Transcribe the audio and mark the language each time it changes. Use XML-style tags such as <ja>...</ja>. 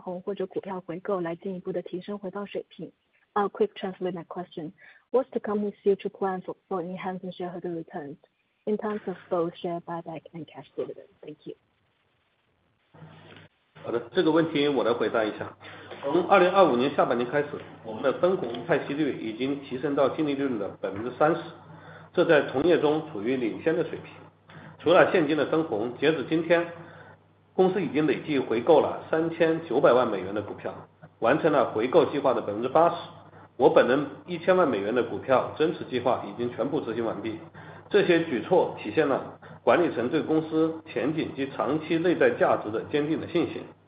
<zh>管理层好，感谢给我这个提问的机会。我的问题有关股东回报，是否可以分享一下公司未来计划如何通过增加现金分红或者股票回购来进一步的提升回报水平？</zh> <en>A quick translate my question. What's the company's future plan for enhancing shareholder returns in terms of both share buyback and cash dividend? Thank you.</en> <zh>好的，这个问题我来回答一下。从 2025 年下半年开始，我们的分红派息率已经提升到净利润的 30%， 这在同业中处于领先的水平。除了现金的分红，截止今天，公司已经累计回购了 3,900 万美元的股票，完成了回购计划的 80%。我本人 1,000 万美元的股票增持计划已经全部执行完毕。这些举措体现了管理层对公司前景及长期内在价值的坚定的信心。</zh>